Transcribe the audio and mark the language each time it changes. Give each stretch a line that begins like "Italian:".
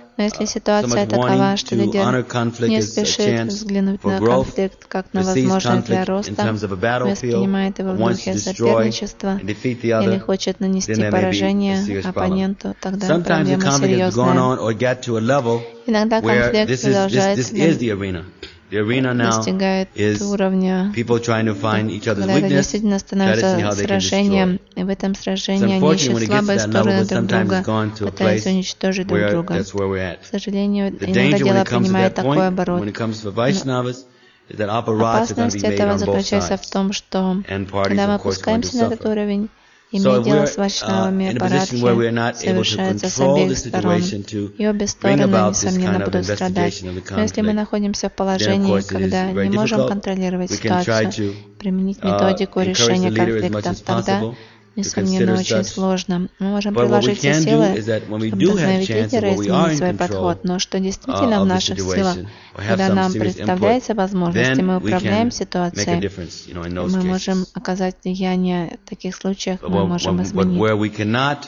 Russian: Но если ситуация такова, что лидер не спешит взглянуть на конфликт как на возможность для роста, воспринимает его в духе соперничества или хочет нанести поражение оппоненту, тогда проблема серьезная. Иногда конфликт продолжается,
English: the arena now is people trying to find each other's weakness, trying to see how they can destroy. So unfortunately, when it gets to that level, it sometimes has gone to a place where that's where we're at. The danger when it comes to that point, when it comes to Vaishnavas, is that aparats are going to be made on both sides. And parties, of course, are going to suffer. So if we're in a position where we're not able to control the situation to bring about this kind of investigation of the conflict, then of course it is very difficult. We can try to encourage the leader as much as possible.
Russian: Несомненно, очень сложно. Мы можем приложить все силы, чтобы вдохновить лидера изменить свой подход. Но что действительно в наших силах, когда нам представляется возможность, мы управляем ситуацией, мы можем оказать влияние в таких случаях, мы можем изменить.